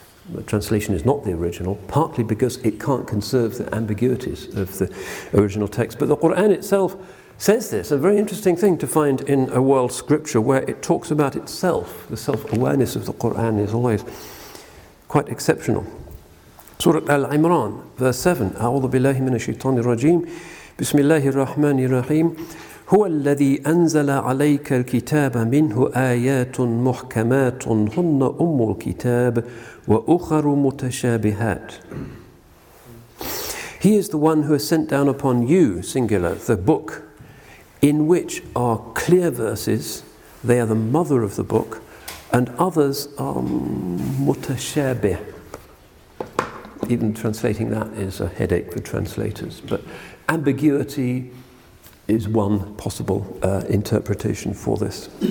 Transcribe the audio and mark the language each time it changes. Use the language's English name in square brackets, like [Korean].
[English] But translation is not the original, partly because it can't conserve the ambiguities of the original text. But the Qur'an itself says this, a very interesting thing to find in a world scripture where it talks about itself. The self-awareness of the Qur'an is always quite exceptional. Surah Al-Imran, verse 7, [Arabic] A'udhu billahi min ash-shaytani rajim. بسم الله الرحمن الرحيم هو الذي أنزل عليك الكتاب منه آيات محكمات هن أم الكتاب وأخر متشابهات. [English] He is the one who has sent down upon you, singular, the book, in which are clear verses, they are the mother of the book, and others are متشابه. Even translating that is a headache for translators, but ambiguity is one possible interpretation for this.